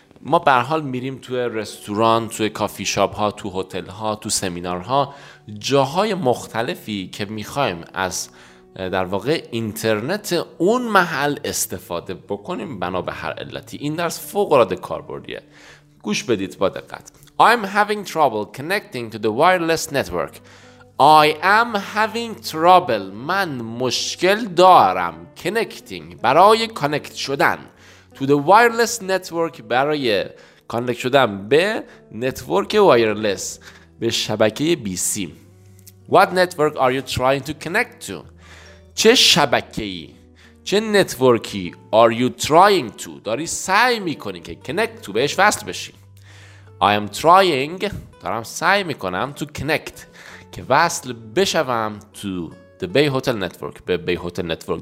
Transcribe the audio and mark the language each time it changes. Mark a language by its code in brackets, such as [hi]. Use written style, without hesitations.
[fa] ما به هر حال میریم توی رستوران، توی کافی شاپ ها، توی هتل ها، توی سمینار ها، جاهای مختلفی که میخوایم از در واقع اینترنت اون محل استفاده بکنیم بنا به هر علتی. این درس فوق العاده کاربردیه. گوش بدید با دقت. [en] I'm having trouble connecting to the wireless network. I am having trouble. [fa] من مشکل دارم connecting برای کانکت شدن [en] to the wireless network [fa] برای کانکت شدن به نتورک وایرلس به شبکه بی سیم. [en] What network are you trying to connect to? [fa] چه شبکه‌ای، چه نتورکی [en] are you trying to، [fa] داری سعی میکنی که [en] connect to [fa] بهش وصل بشی. [en] I am trying، [fa] دارم سعی میکنم [en] to connect [fa] که وصل بشوم [en] to the Bay Hotel Network، به Bay Hotel Network.